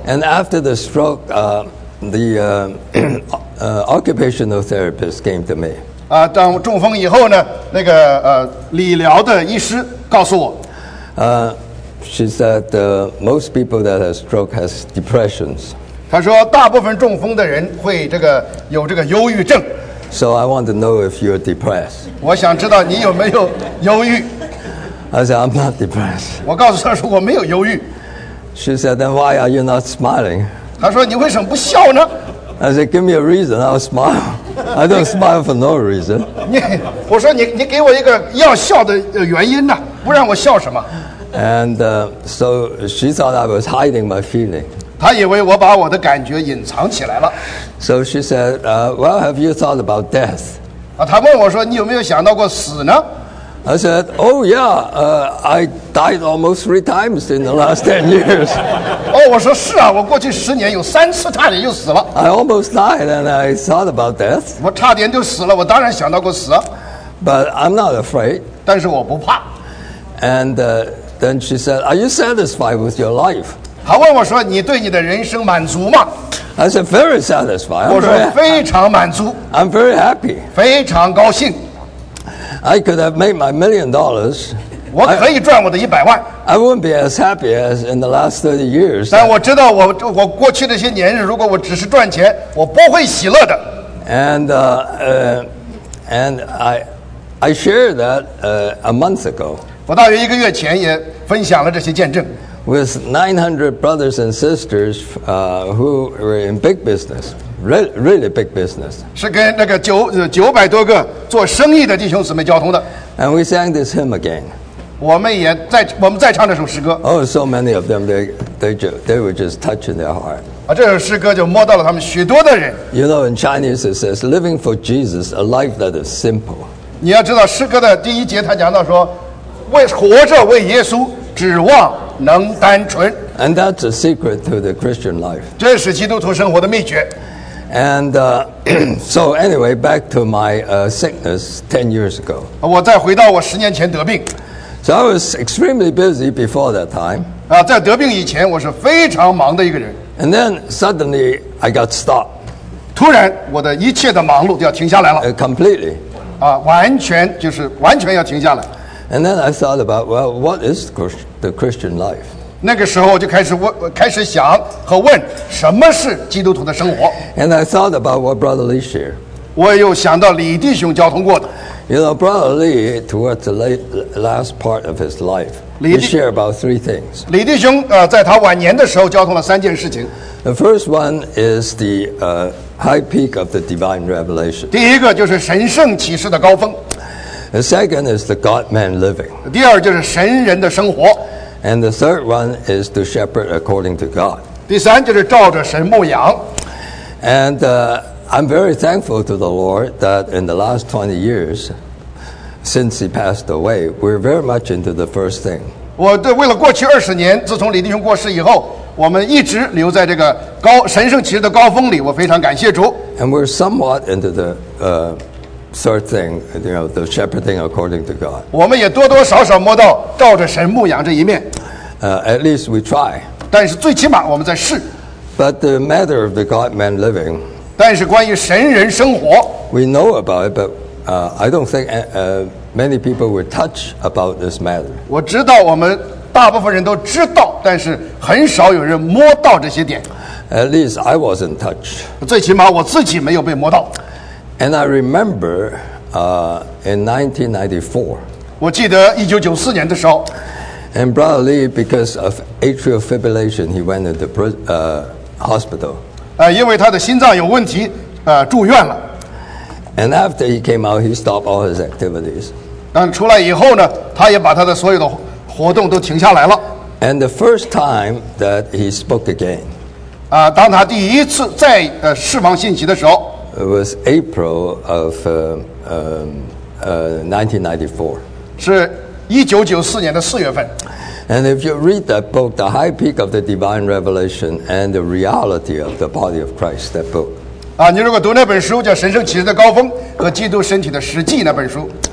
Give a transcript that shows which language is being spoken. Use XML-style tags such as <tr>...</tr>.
<en>And after the stroke, the occupational therapist came to me.</en> <zh>当中风以后呢，那个理疗的医师告诉我，</zh> <en>she said most people that have stroke has depressions.</en> <zh>他说大部分中风的人会这个有这个忧郁症。</zh> <en>So I want to know if you're depressed.</en> <zh>我想知道你有没有忧郁。</zh> <en>I said I'm not depressed.</en> <zh>我告诉他说我没有忧郁。</zh> <en>She said then why are you not smiling?</en> <zh>他说你为什么不笑呢？</zh> <en>I said, give me a reason, I'll smile. I don't smile for no reason.</en> <zh>我说你给我一个要笑的原因呢，不让我笑什么。</zh> <en>And so she thought I was hiding my feeling.</en> <zh>她以为我把我的感觉隐藏起来了。</zh> <en>So she said, well, have you thought about death?</en> <zh>她问我说你有没有想到过死呢？</zh> <en>I said, oh yeah, I died almost three times in the last 10 years.</en> <zh>Oh, 我说是啊，我过去十年有三次差点就死了。</zh> <en>I almost died and I thought about death.</en> <zh>我差点就死了，我当然想到过死。</zh> <en>But I'm not afraid.</en> <zh>但是我不怕。</zh> <en>And then she said, are you satisfied with your life?</en> <zh>她问我说，你对你的人生满足吗？</zh> <en>I said, very satisfied.</en> <zh>我说非常满足。</zh> <en>I'm very happy.</en> <zh>非常高兴。</zh> <en>I could have made my $1 million.</en> <zh>我可以赚我的一百万。</zh> <en>I wouldn't be as happy as in the last 30 years.</en> <zh>但我知道我过去那些年日，如果我只是赚钱，我不会喜乐的。</zh> <en>And I shared that a month ago.</en> <zh>我大约一个月前也分享了这些见证。</zh> <en>With 900 brothers and sisters who were in big business, really, really big business.</en> <zh>是跟那个900多个做生意的弟兄姊妹交通的。</zh> <en>And we sang this hymn again.</en> <zh>我们再唱这首诗歌。</zh> <en>Oh, so many of them, they were just touching their heart.</en> <zh>啊，这首诗歌就摸到了他们许多的人。</zh> <en>You know, in Chinese it says, living for Jesus, a life that is simple.</en> <zh>你要知道诗歌的第一节他讲到说，为活着为耶稣指望能单纯。</zh> <en>And that's a secret to the Christian life.</en> <zh>这是基督徒生活的秘诀。</zh> <en>And so anyway, back to my sickness 10 years ago.</en> <zh>我再回到我十年前得病。</zh> <en>So I was extremely busy before that time.</en> <zh>啊，在得病以前我是非常忙的一个人。</zh> <en>And then suddenly I got stopped.</en> <zh>突然我的一切的忙碌就要停下来了。</zh> <en>Completely.</en> <zh>啊，完全就是完全要停下来。</zh> <en>And then I thought about, well, what is the Christian life?</en> <zh>那个时候我就开始想和问什么是基督徒的生活。</zh> <en>And I thought about what Brother Lee shared.</en> <zh>我又想到李弟兄交通过的。</zh> <en>You know, Brother Lee, towards the last part of his life, he shared about three things.</en> <zh>李弟兄在他晚年的时候交通了三件事情。</zh> <en>The first one is the high peak of the divine revelation.</en> <zh>第一个就是神圣启示的高峰。</zh> <en>The second is the God-man living.</en> <zh>第二就是神人的生活。</zh> <en>And the third one is to shepherd according to God.</en> <zh>第三就是照着神牧养。</zh> <en>And I'm very thankful to the Lord that in the last 20 years, since he passed away, we're very much into the first thing.</en> <zh>我对为了过去二十年，自从李弟兄过世以后，我们一直留在这个神圣启示的高峰里，我非常感谢主。</zh> <en>And we're somewhat into the third thing, you know, the shepherding according to God.</en> <zh>我们也多多少少摸到照着神牧养这一面。</zh> <en>At least we try.</en> <zh>但是最起码我们在试。</zh> <en>But the matter of the God-man living.</en> <zh>但是关于神人生活。</zh> <en>We know about it, but I don't think many people will touch about this matter.</en> <zh>我知道我们大部分人都知道，但是很少有人摸到这些点。</zh> <en>At least I wasn't touched.</en> <zh>最起码我自己没有被摸到。</zh> <en>And I remember in 1994.</en> <zh>我记得1994年的时候。</zh> <en>And Brother Lee, because of atrial fibrillation, he went into hospital.</en> <zh>因为他的心脏有问题，住院了。</zh> <en>And after he came out, he stopped all his activities.</en> <zh>但出来以后呢，他也把他的所有的活动都停下来了。</zh> <en>And the first time that he spoke again.</en> <zh>当他第一次再释放信息的时候。</zh> <en>It was April of 1994.</en> <zh>是1994年的四月份。</zh> <en>And if you read that book, The High Peak of the Divine Revelation and the Reality of the Body of Christ, that book.</en> <zh>啊，你如果读那本书叫《神圣启示的高峰和基督身体的实际》那本书。</zh>